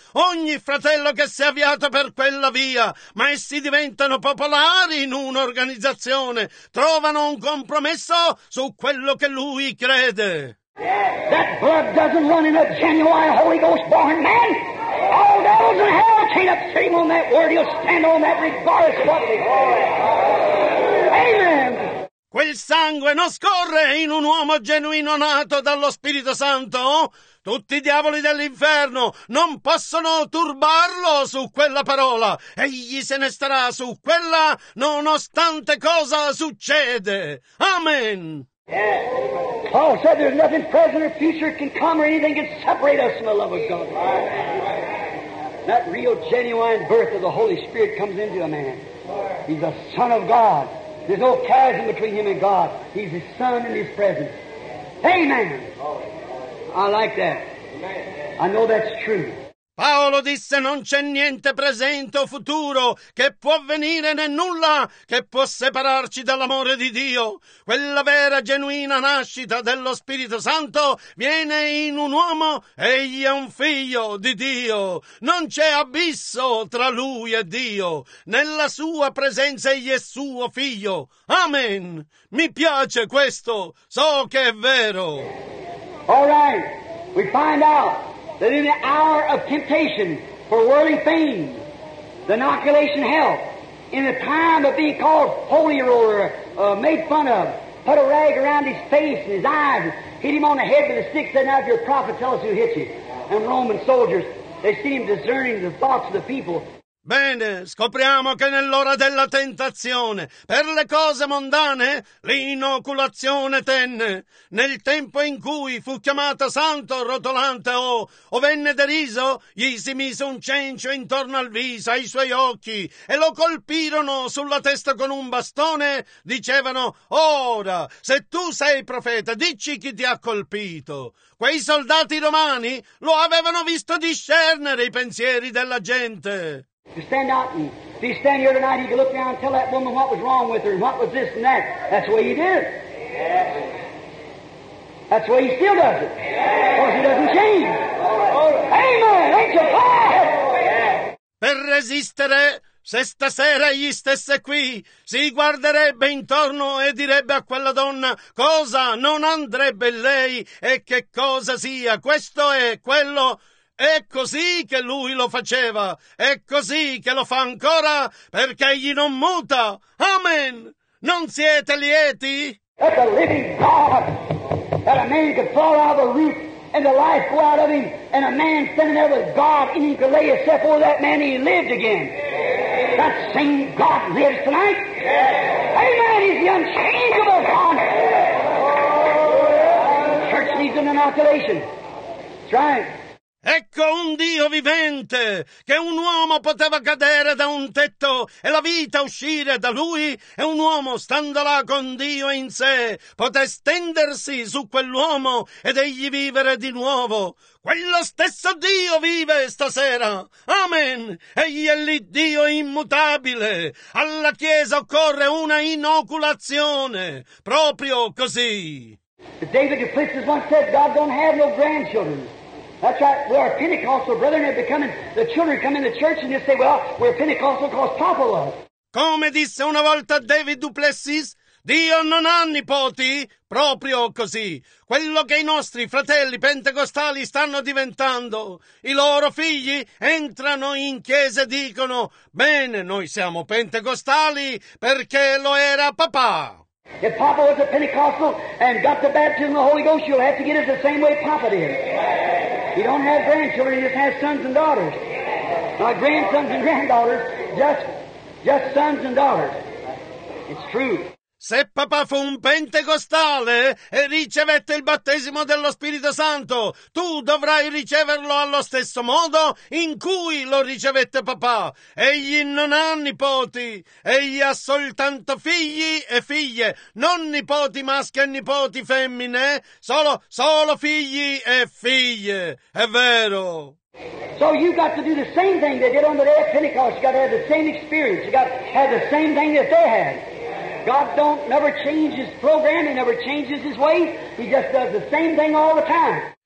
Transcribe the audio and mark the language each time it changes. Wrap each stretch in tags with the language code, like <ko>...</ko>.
<it>Ogni fratello che si è avviato per quella via, ma essi diventano popolari in un'organizzazione, trovano un compromesso su quello che lui crede.</it> <en>That blood doesn't run in a genuine Holy Ghost born man. All devils in hell can't upstream on that word. He'll stand on that regardless of what they call it. Amen.</en> <it>Quel sangue non scorre in un uomo genuino nato dallo Spirito Santo? Tutti i diavoli dell'inferno non possono turbarlo su quella parola. Egli se ne starà su quella nonostante cosa succede. Amen.</it> <en>Yeah. Paul said there's nothing present or future can come or anything can separate us from the love of God. That real genuine birth of the Holy Spirit comes into a man. He's a son of God. There's no chasm between him and God. He's his son in his presence. Amen. I like that. I know that's true.</en> <it>Paolo disse: non c'è niente presente o futuro che può avvenire, né nulla che può separarci dall'amore di Dio. Quella vera, genuina nascita dello Spirito Santo viene in un uomo, egli è un figlio di Dio. Non c'è abisso tra lui e Dio. Nella sua presenza egli è suo figlio. Amen. Mi piace questo. So che è vero.</it> <en>All right, we find out. That in the hour of temptation for worldly things, the inoculation health, in the time of being called holy or made fun of, put a rag around his face and his eyes, hit him on the head with a stick, said, now if you're a prophet, tell us who hit you. And Roman soldiers, they see him discerning the thoughts of the people.</en> <it>Bene, scopriamo che nell'ora della tentazione, per le cose mondane, l'inoculazione tenne. Nel tempo in cui fu chiamato santo, rotolante o venne deriso, gli si mise un cencio intorno al viso, ai suoi occhi, e lo colpirono sulla testa con un bastone, dicevano, ora, se tu sei profeta, dicci chi ti ha colpito. Quei soldati romani lo avevano visto discernere i pensieri della gente.</it> <en>To stand out and if you stand here tonight, you can look down and tell that woman what was wrong with her and what was this and that. That's the way he did it. That's the way he still does it. Because he doesn't change. Amen! Ain't you fine?</en> <it>Per resistere. Se stasera egli stesse qui, si guarderebbe intorno e direbbe a quella donna cosa non andrebbe lei e che cosa sia. Questo è quello. È così che lui lo faceva, è così che lo fa ancora, perché egli non muta. Amen! Non siete lieti?</it> <en>That's a living God! That a man could fall out of a roof and the life go out of him, and a man standing there with God, and he could lay himself over that man, and he lived again. That same God lives tonight. Amen! He's the unchangeable God! Church needs an inoculation. That's right.</en> <it>Ecco un Dio vivente, che un uomo poteva cadere da un tetto e la vita uscire da lui, e un uomo, stando là con Dio in sé, poté stendersi su quell'uomo ed egli vivere di nuovo. Quello stesso Dio vive stasera. Amen. Egli è lì Dio immutabile. Alla Chiesa occorre una inoculazione. Proprio così.</it> <en>David the priest once said, God don't have no grandchildren. That's right, we are Pentecostal, brethren, and becoming the children come in the church and just say, well, we're Pentecostal because Papa was.</en> <it>Come disse una volta David Duplessis, Dio non ha nipoti. Proprio così. Quello che i nostri fratelli pentecostali stanno diventando. I loro figli entrano in chiesa e dicono, bene, noi siamo pentecostali perché lo era papà.</it> <en>If Papa was a Pentecostal and got the baptism of the Holy Ghost, you'll have to get it the same way Papa did. He don't have grandchildren, he just has sons and daughters. Not grandsons and granddaughters, just sons and daughters. It's true.</en> <it>Se papà fu un pentecostale e ricevette il battesimo dello Spirito Santo, tu dovrai riceverlo allo stesso modo in cui lo ricevette papà. Egli non ha nipoti, egli ha soltanto figli e figlie, non nipoti maschi e nipoti femmine, solo figli e figlie. È vero.</it> <en>So you've got to do the same thing they did on the day of Pentecost. You've got to have the same experience. You've got to have the same thing that they had. God don't never change his program, he never changes his way, he just does the same thing all the time.</en>